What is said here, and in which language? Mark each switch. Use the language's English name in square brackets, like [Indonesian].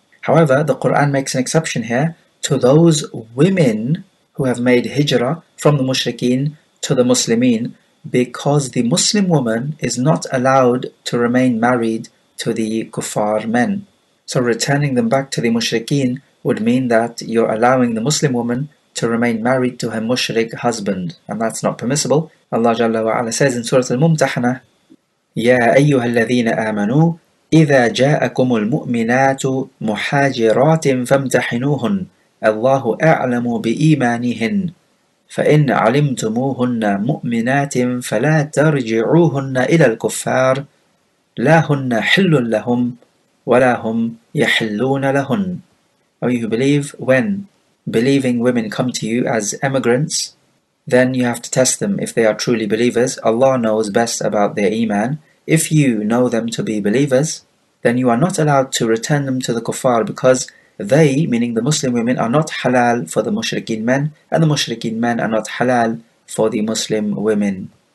[English] However, the Qur'an makes an exception here to those women who have made Hijrah from the Mushrikeen to the Muslimin, because the Muslim woman is not allowed to remain married to the Kuffar men. So returning them back to the Mushrikeen would mean that you're allowing the Muslim woman to remain married to her Mushrik husband. And that's not permissible. Allah Jalla wa Ala says in Surah Al-Mumtahanah, [Arabic] يَا أَيُّهَا الَّذِينَ آمَنُوا إِذَا جَاءَكُمُ الْمُؤْمِنَاتُ مُحَاجِرَاتٍ فَامْتَحِنُوهُنَّ اللَّهُ أَعْلَمُ بِإِيمَانِهِنَّ فَإِنْ عَلِمْتُمُوهُنَّ مُؤْمِنَاتٍ فَلَا تَرْجِعُوهُنَّ إِلَى الْكُفَّارِ لَا هُنَّ حِلٌّ لَهُمْ وَلَا هُمْ يَحِلُّونَ لَهُنْ. [English] O you who believe, when believing women come to you as emigrants, then you have to test them if they are truly believers. Allah knows best about their iman. If you know them to be believers, then you are not allowed to return them to the kuffar, because they, meaning the Muslim women, are not halal for the Mushrikeen men, and the Mushrikeen men are not halal for the Muslim women.